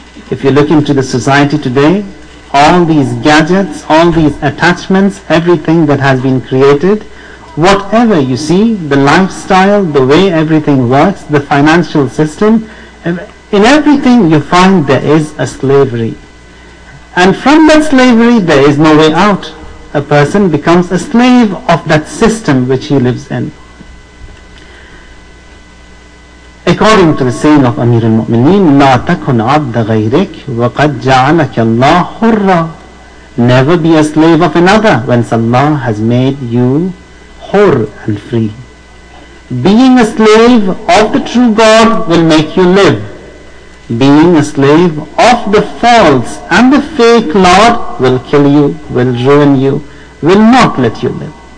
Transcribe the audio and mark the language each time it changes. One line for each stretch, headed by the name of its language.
English: If you look into the society today, all these gadgets, all these attachments, everything that has been created, whatever you see, the lifestyle, the way everything works, the financial system, in everything you find there is a slavery. And from that slavery there is no way out. A person becomes a slave of that system which he lives in. According to the saying of Amir al-Mu'mineen,
Arabic: لَا تَكُنْ عَبْدَ غَيْرِكَ وَقَدْ جَعَلَكَ اللَّهُ حُرَّ.
English: Never be a slave of another when Allah has made you hur and free. Being a slave of the true God will make you live. Being a slave of the false and the fake Lord will kill you, will ruin you, will not let you live.